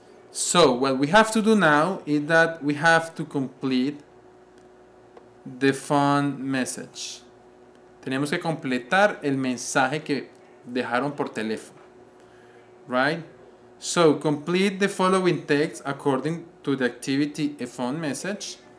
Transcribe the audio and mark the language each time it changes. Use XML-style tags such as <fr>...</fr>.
<en>So what we have to do now is that we have to complete the phone message.</en> <es>Tenemos que completar el mensaje que dejaron por teléfono.</es> <en>Right? So complete the following text according to the activity a phone message.</en>